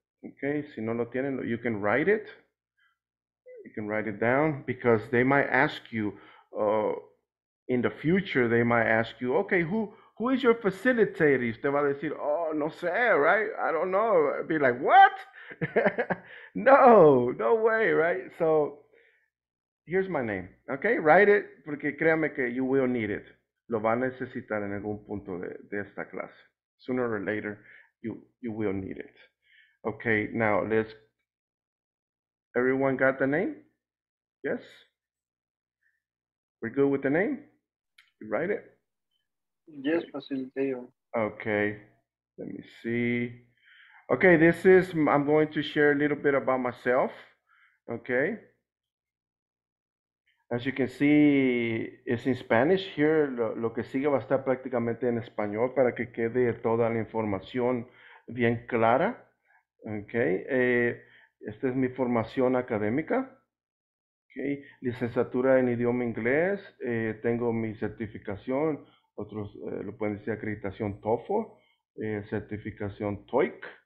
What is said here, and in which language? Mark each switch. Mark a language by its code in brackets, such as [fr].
[en] Okay, [es] si no lo tienen, [en] you can write it. You can write it down because they might ask you, in the future, they might ask you, okay, who is your facilitator? [es] Usted va a decir, oh, no sé, [en] right? I don't know. I'd be like, what? No, no way, right? So here's my name, okay? Write it, [es] porque créame que [en] you will need it. [es] Lo va a necesitar en algún punto de esta clase. [en] Sooner or later, you will need it. Okay, now let's, everyone got the name? Yes? We're good with the name? You write it? Yes, facilitator. Okay, let me see. Okay, this is, I'm going to share a little bit about myself, okay? As you can see, it's in Spanish here. [es] Lo que sigue va a estar prácticamente en español para que quede toda la información bien clara. Okay, esta es mi formación académica. Okay, licenciatura en idioma inglés. Tengo mi certificación, otros lo pueden decir acreditación TOEFL, certificación TOEIC.